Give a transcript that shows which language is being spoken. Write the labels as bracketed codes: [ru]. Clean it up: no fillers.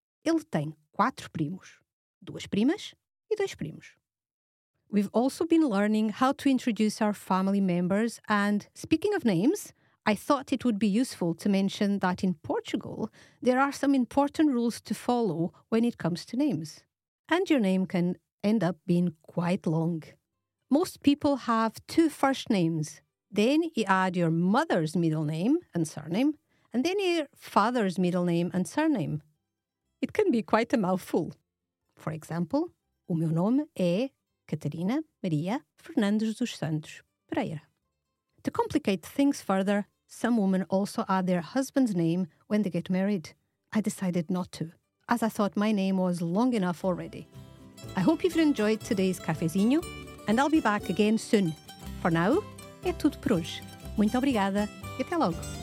[pt] Ele tem quatro primos, duas primas e dois primos. [en] We've also been learning how to introduce our family members, and speaking of names, I thought it would be useful to mention that in Portugal, there are some important rules to follow when it comes to names. And your name can end up being quite long. Most people have two first names. Then you add your mother's middle name and surname, and then your father's middle name and surname. It can be quite a mouthful. For example, [pt] o meu nome é [en] Catarina Maria Fernandes dos Santos Pereira. To complicate things further, some women also add their husband's name when they get married. I decided not to, as I thought my name was long enough already. I hope you've enjoyed today's cafezinho, and I'll be back again soon. For now, [pt] é tudo por hoje. Muito obrigada e até logo.